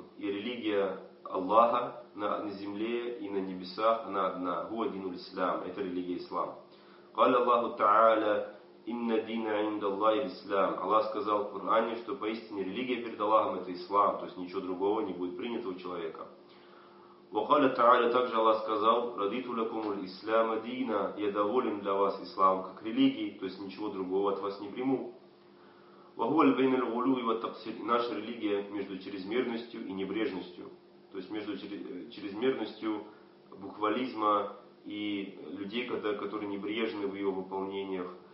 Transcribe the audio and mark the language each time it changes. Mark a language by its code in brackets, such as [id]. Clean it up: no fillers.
[ru] И религия Аллаха на земле и на небесах, она одна. [ar] هُوَ دِينُ الْإِسْلَامِ. [ru] Это религия Ислам. [ar] قَالَ اللَّهُ تَعَالَى إِنَّ دِينَ عِنْدَ اللَّهِ الْإِسْلَامِ. [ru] Аллах сказал в Коране, что поистине религия перед Аллахом это Ислам, то есть ничего другого не будет принято у человека. [ar] وَقَالَ تَعَالَى. [ru] Также Аллах сказал, [ar] رَدِيتُ لَكُمُ الْإِسْلَامَ دِينًا. [ru] Я доволен для вас Ислам как религии, то есть ничего другого от вас не приму. Наша религия между чрезмерностью и небрежностью. То есть между чрезмерностью буквализма и людей, которые небрежны в ее выполнениях.